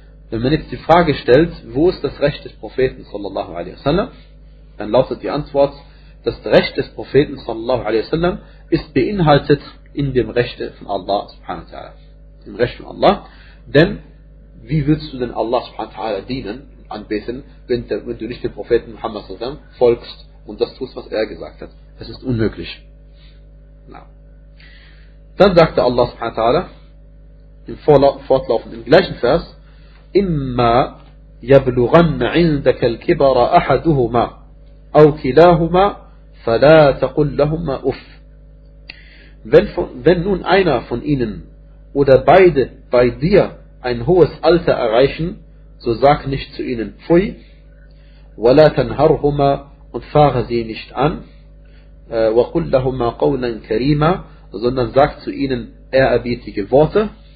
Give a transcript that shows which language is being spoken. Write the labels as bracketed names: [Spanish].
[German] Wenn man jetzt die Frage stellt, wo ist das Recht des Propheten sallallahu alaihi wasallam, dann lautet die Antwort, das Recht des Propheten sallallahu alaihi wasallam ist beinhaltet in dem Recht von Allah subhanahu wa ta'ala. Im Recht von Allah. Denn wie willst du denn Allah subhanahu wa ta'ala dienen, anbeten, wenn du nicht dem Propheten Muhammad sallallahu alaihi wasallam folgst und das tust, was er gesagt hat? Das ist unmöglich. Na. Dann sagte Allah subhanahu wa ta'ala im fortlaufenden gleichen Vers, [Arabic] إِمَّا يَبْلُغَنَّ عِنْدَكَ الْكِبَرَ أَحَدُهُمَا أَوْ كِلَاهُمَا فَلَا تَقُلْ لَهُمَا أُفْ. [German] Wenn nun einer von ihnen oder beide bei dir ein hohes Alter erreichen, so sag nicht zu ihnen Pfui, [Arabic] وَلَا تَنْهَرْهُمَا, [German] und fahre sie nicht an, [Arabic] وَقُلْ لَهُمَا قَوْلًا كَرِيمًا, [German] sondern sag zu ihnen ehrerbietige Worte.